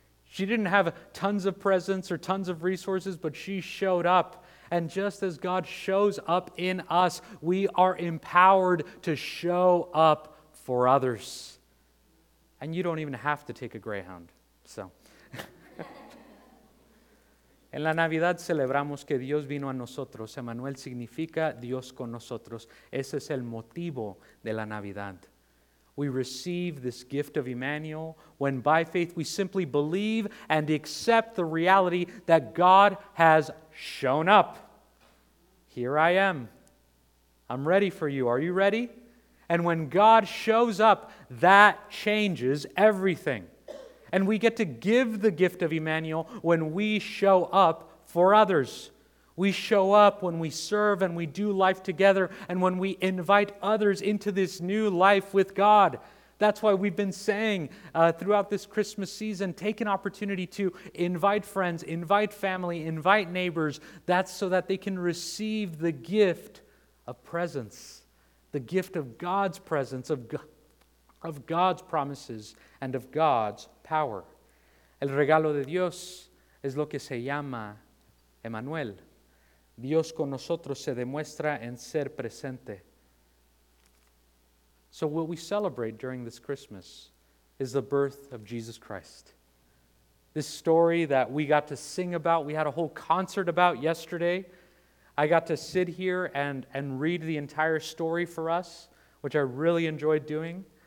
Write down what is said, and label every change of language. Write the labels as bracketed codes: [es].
[en] She didn't have tons of presence or tons of resources, but she showed up. And just as God shows up in us, we are empowered to show up for others. And you don't even have to take a Greyhound, so. [es] En la Navidad celebramos que Dios vino a nosotros. Emmanuel significa Dios con nosotros. Ese es el motivo de la Navidad. [en] We receive this gift of Emmanuel when by faith we simply believe and accept the reality that God has shown up. Here I am. I'm ready for you. Are you ready? And when God shows up, that changes everything. And we get to give the gift of Emmanuel when we show up for others. We show up when we serve and we do life together and when we invite others into this new life with God. That's why we've been saying throughout this Christmas season, take an opportunity to invite friends, invite family, invite neighbors. That's so that they can receive the gift of presence. The gift of God's presence, of God's promises, and of God's power. [es] El regalo de Dios es lo que se llama Emmanuel. Dios con nosotros se demuestra en ser presente. [en] So what we celebrate during this Christmas is the birth of Jesus Christ. This story that we got to sing about, we had a whole concert about yesterday. I got to sit here and read the entire story for us, which I really enjoyed doing.